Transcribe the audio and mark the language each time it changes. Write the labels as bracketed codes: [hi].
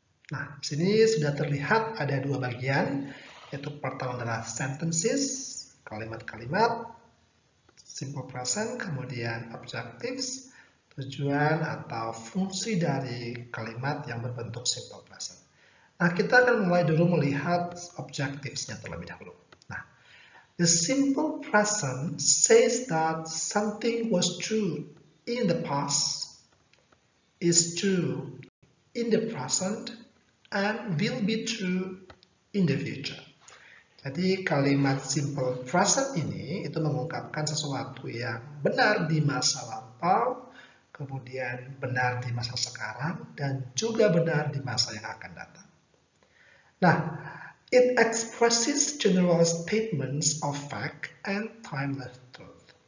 [id] Nah, di sini sudah terlihat ada dua bagian, yaitu pertama adalah sentences, kalimat-kalimat, simple present, kemudian objectives, tujuan atau fungsi dari kalimat yang berbentuk simple present. Nah, kita akan mulai dulu melihat objectives-nya terlebih dahulu. [en] Nah, the simple present says that something was true in the past, is true in the present, and will be true in the future. [id] Jadi, kalimat simple present ini itu mengungkapkan sesuatu yang benar di masa lampau, kemudian benar di masa sekarang, dan juga benar di masa yang akan datang. [en] Nah, it expresses general statements of fact and timeless truth.